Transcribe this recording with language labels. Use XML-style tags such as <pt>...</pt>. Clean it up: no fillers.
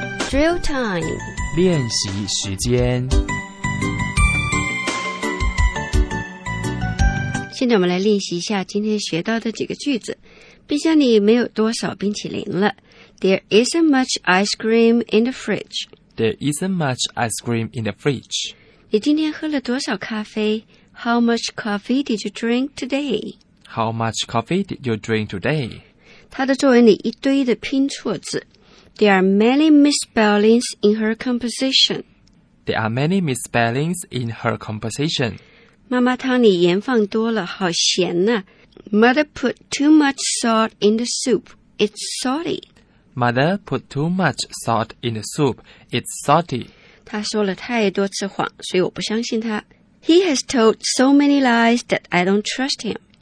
<en>Drill time，</en> <zh>练习时间。现在我们来练习一下今天学到的几个句子。冰箱里没有多少冰淇淋了。</zh> <en>There isn't much ice cream in the fridge. There isn't much ice cream in the fridge.</en> <zh>你今天喝了多少咖啡</zh> <en>？How much coffee did you drink today? How much coffee did you drink today?</en> <zh>他的作文里一堆的拼错字。</zh> <en>There are many misspellings in her composition. There are many misspellings in her composition.</en> <zh>妈妈汤里盐放多了，好咸呐。</zh> <en>Mother put too much salt in the soup. It's salty. Mother put too much salt in the soup. It's salty.</en> <zh>她说了太多次谎，所以我不相信她。</zh> <en>He has told so many lies that I don't trust him.</en>